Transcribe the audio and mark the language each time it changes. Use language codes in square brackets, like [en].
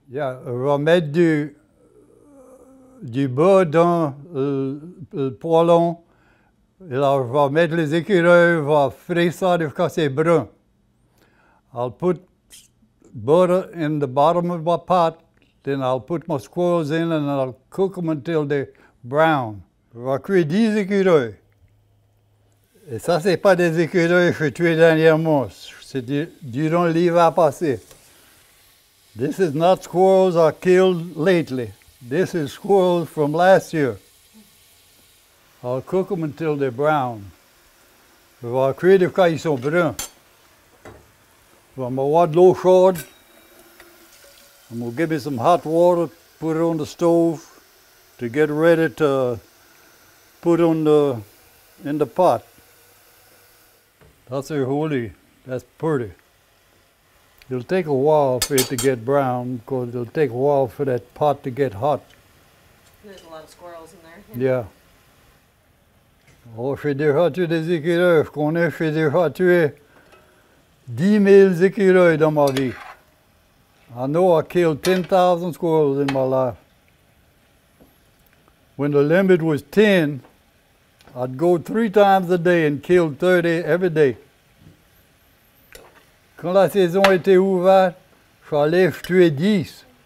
[fr] Je vais mettre du beurre dans le poêlon. Et là, je vais mettre les écureuils, je vais frire ça jusqu'à ce que c'est brun. [en] I'll put butter in the bottom of my pot. Then I'll put my squirrels in and I'll cook them until they're brown. [fr] Je vais cuire 10 écureuils. Et ça, c'est pas des écureuils que j'ai tués dernièrement. C'est durant l'hiver passé. [en] This is not squirrels I killed lately. This is squirrels from last year. I'll cook them until they're brown. [fr] Je vais cuire jusqu'à ils sont bruns. Je vais m'avoir de l'eau chaude. [en] I'm gonna give me some hot water, put it on the stove to get ready to put on the in the pot. That's a holy, that's pretty. It'll take a while for it to get brown because it'll take a while for that pot to get hot. There's a lot of squirrels in there. [fr] Yeah. Oh, je déjà tué des écureuils. Je connais, je déjà tué 10 000 écureuils dans ma vie. [en] I know I killed 10,000 squirrels in my life. When the limit was 10, I'd go 3 times a day and kill 30 every day. [fr] Quand la saison était ouverte, j'allais tuer 10.